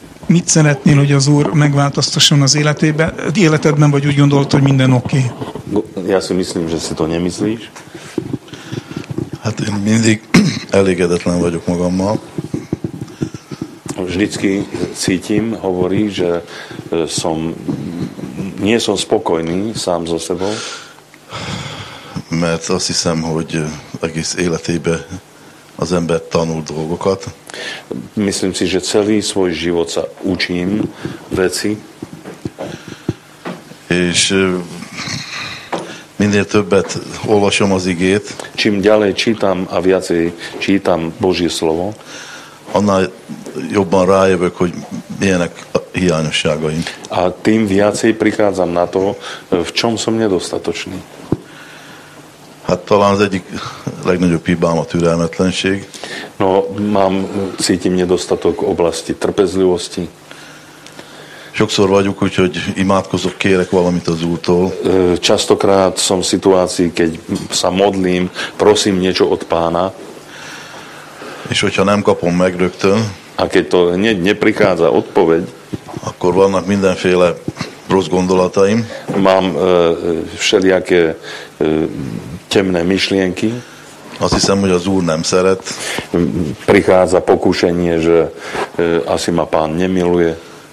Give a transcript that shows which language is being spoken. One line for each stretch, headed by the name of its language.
Hungarian: Mit szeretnél, hogy az Úr megváltoztasson az életedben, vagy úgy gondolod, hogy minden oké?
English: Okay?
Slovak: Ja si myslím, že si to nemyslíš.
Hungarian: Hát én mindig elégedetlen vagyok magammal.
Slovak: Vždycky cítim, hovorí, že som, nie som spokojný sám so sebou.
Hungarian: Mert azt hiszem, hogy egész életében az ember tanul dolgokat.
Slovak: Myslím si, že celý svoj život sa učím veci.
Hungarian: És minél többet olvasom az igét.
Slovak: Čím ďalej čítam a viacej čítam Božie slovo,
Hungarian: annál jobban rájövök, hogy milyenek a hiányosságaim.
Slovak: A tým viacej prichádzam na to, v čom som nedostatočný.
Hungarian: Hát talán az egyik legnagyobb hibám a türelmetlenség.
Slovak: No, mám, cítim nedostatok oblasti trpezlivosti.
Hungarian: Sokszor vagyok, úgyhogy imádkozok, kérek valamit az Úrtól.
Slovak: Častokrát som v situácii, keď sa modlím, prosím niečo od Pána.
Hungarian: És hogyha nem kapom meg rögtön,
Slovak: a keď to hneď neprichádza odpoveď,
Hungarian: akkor vannak mindenféle rossz gondolataim.
Slovak: Mám všelijaké temné myšlienky.
Hungarian: Asi sem, hogy az Úr nem szeret.
Slovak: Prichádza pokušenie, že asi ma Pán nemiluje.